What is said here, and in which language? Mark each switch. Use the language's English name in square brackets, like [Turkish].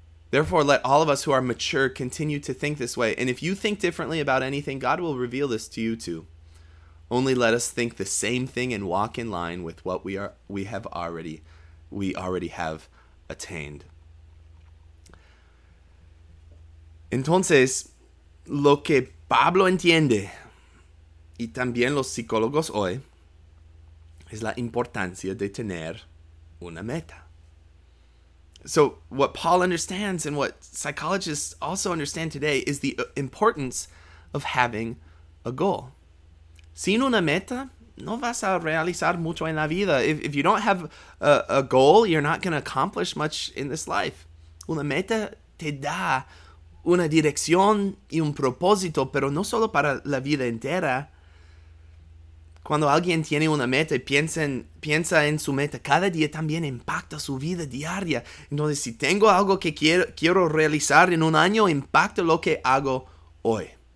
[English] Therefore, let all of us who are mature continue to think this way. And if you think differently about anything, God will reveal this to you too. Only let us think the same thing and walk in line with what we already have attained. [Spanish] Entonces, lo que Pablo entiende y también los psicólogos hoy es la importancia de tener una meta. [English] So what Paul understands and what psychologists also understand today is the importance of having a goal. [Spanish] Sin una meta, no vas a realizar mucho en la vida. [English] If you don't have a goal, you're not going to accomplish much in this life. [Spanish] Una meta te da una dirección y un propósito, pero no solo para la vida entera. Cuando alguien tiene una meta y piensa en su meta, cada día también impacta su vida diaria. Entonces, si tengo algo que quiero realizar en un año, impacta lo que hago hoy.